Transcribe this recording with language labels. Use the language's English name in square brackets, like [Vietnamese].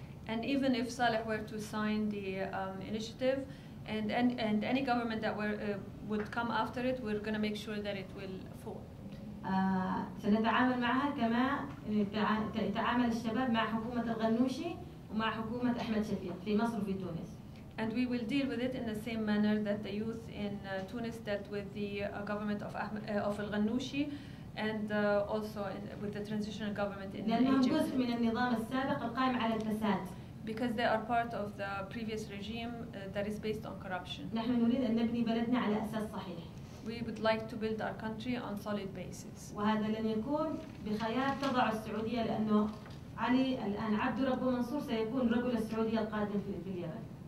[English] And even if Saleh were to sign the initiative, and any government that were would come after it, we're going to make sure that it will fall. [Arabic] سنتعامل معها كما تعامل الشباب مع حكومة الغنوشي ومع حكومة أحمد شفيق في مصر وفي تونس. [English] And we will deal with it in the same manner that the youth in Tunis dealt with the government of of Ghannouchi and also with the transitional government in [Arabic] لأنهم [English] Egypt. [Arabic] جزء من النظام السابق القائم على الفساد. [English] Because they are part of the previous regime that is based on corruption. [Arabic] نحن نريد أن نبني بلدنا على أساس صحيح. [English] We would like to build our country on solid basis. [Arabic] وهذا لن يكون بخيار تضع السعودية لأنه علي الآن عبد رب منصور سيكون رجل السعودية القادم في اليمن.